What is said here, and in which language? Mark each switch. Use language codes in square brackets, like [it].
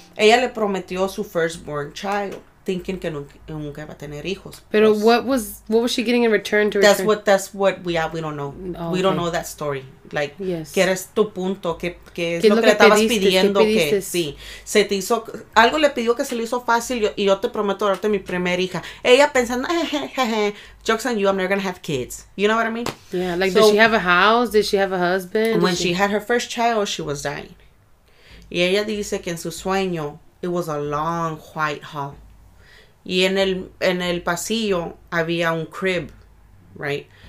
[es] Ella le prometió su [en] firstborn child, thinking [es] que nunca iba a tener hijos. [en] Pero what was she getting in return to? We don't know. Okay. We don't know that story. Like, yes. [es] ¿Qué era tu punto? ¿Qué es lo que le estabas pidiendo? ¿Qué sí. Se te hizo, algo le pidió que se le hizo fácil, y yo te prometo darte mi primera hija. Ella pensando, [en] jokes on you, I'm never gonna have kids. You know what I mean? Yeah, like, so, did she have a house? Did she have a husband? When she had her first child, she was dying. [es] Y ella dice que en su sueño, [en] it was a long white hall. [es] Y en el pasillo había un crib, right?